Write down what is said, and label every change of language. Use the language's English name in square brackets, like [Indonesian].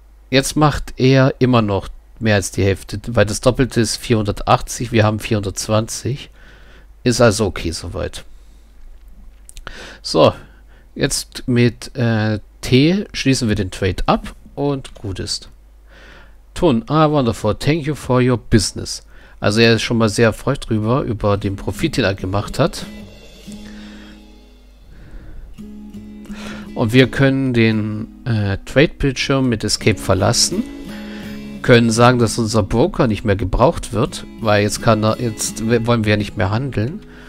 [German] Jetzt macht er immer noch mehr als die Hälfte, weil das Doppelte ist 480, wir haben 420. Ist also okay soweit. So, jetzt mit T schließen wir den Trade ab und gut ist. [English] Tun, ah, wonderful, thank you for your business. [German] Also er ist schon mal sehr erfreut drüber, über den Profit, den er gemacht hat. Und wir können den Trade-Bildschirm mit Escape verlassen. Können sagen, dass unser Broker nicht mehr gebraucht wird, weil jetzt kann er, jetzt wollen wir ja nicht mehr handeln.